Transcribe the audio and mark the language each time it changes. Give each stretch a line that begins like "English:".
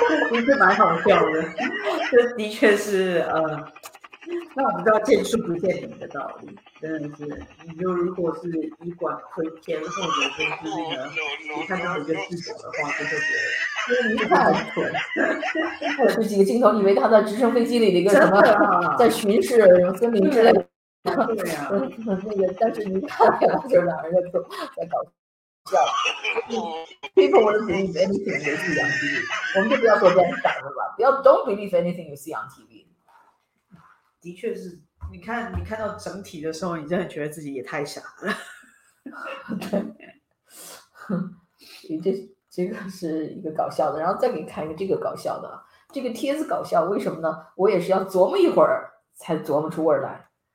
Chinese: 其实蛮好笑的，这的确是那我不知道见树不见林的道理，真的是，你就如果是以管窥天，或者就是那个你看到一个自首的话，就会觉得因为你太蠢，我这几个镜头以为他在直升飞机里的一个什么，在巡视森林之类的，对呀，那个，但是你看见了就两人在搞。
English: People won't believe anything they see on TV.
Chinese: 我们就不要做电视台了吧？不要
English: don't believe anything you see on TV.
Chinese: 的确是，你看到整体的时候，你真的觉得自己也太傻了。对，这个是一个搞笑的，然后再给你看一个这个搞笑的，这个帖子搞笑，为什么呢？我也是要琢磨一会儿才琢磨出味来。